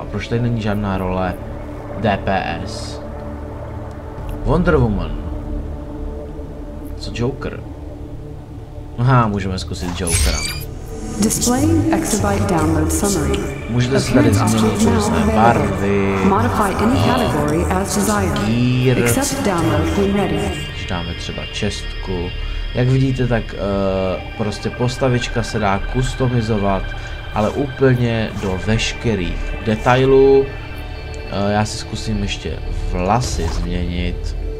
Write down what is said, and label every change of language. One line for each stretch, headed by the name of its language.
Czech: A proč tady není žádná role... DPS. Wonder Woman. Co Joker? Aha, můžeme zkusit Jokera.
English: Displaying exabyte download summary.
Czech: Můžete si tady změnit různé barvy.
English: Modify any category as desired. Gear. Accept download when ready.
Czech: Když dáme třeba čestku. Jak vidíte, tak prostě postavička se dá customizovat, ale úplně do veškerých detailů. Já si zkusím ještě vlasy změnit.